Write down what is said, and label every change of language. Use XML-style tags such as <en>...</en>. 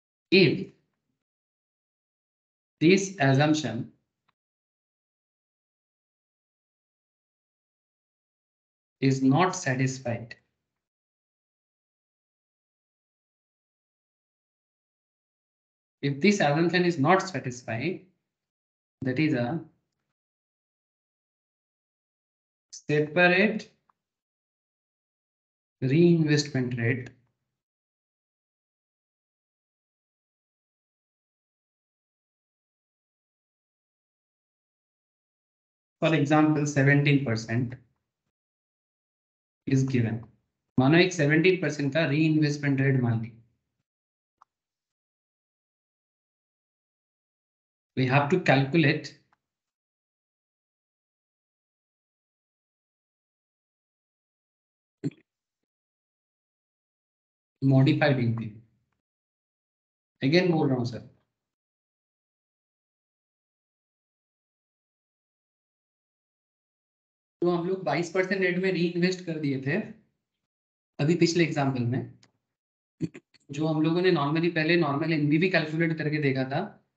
<en>If this assumption is not satisfied, that is a separate reinvestment rate for example 17% is given.</en> <hi>मानो एक 17% का reinvestment rate मान ली.</hi> <en>We have to calculate modified NPV.</en> <hi>Again बोल रहा हूँ sir, तो हम लोग 22% रेट में री इन्वेस्ट कर दिए थे अभी पिछले एग्जाम्पल में, जो हम लोगों ने नॉर्मली पहले नॉर्मल NPV कैलकुलेट करके देखा था.</hi>